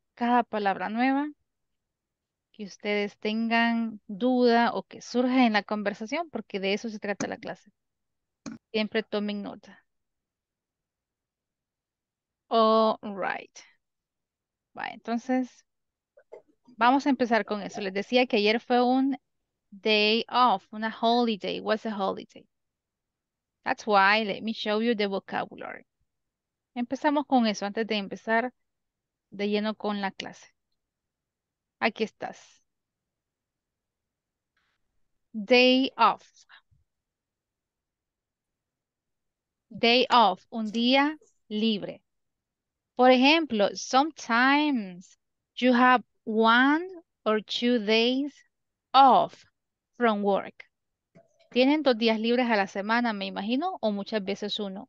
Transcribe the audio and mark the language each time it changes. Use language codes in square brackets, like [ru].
[es] Cada palabra nueva que ustedes tengan duda o que surja en la conversación, porque de eso se trata la clase. Siempre tomen nota. All right. Bueno, entonces, vamos a empezar con eso. Les decía que ayer fue un day off, una holiday. [en] What's a holiday? That's why let me show you the vocabulary. [es] Empezamos con eso antes de empezar de lleno con la clase. Aquí estás. [en] Day off. [es] Day off, un día libre. [en] For example, sometimes you have 1 or 2 days off from work. [es] ¿Tienen 2 días libres a la semana, me imagino, o muchas veces uno?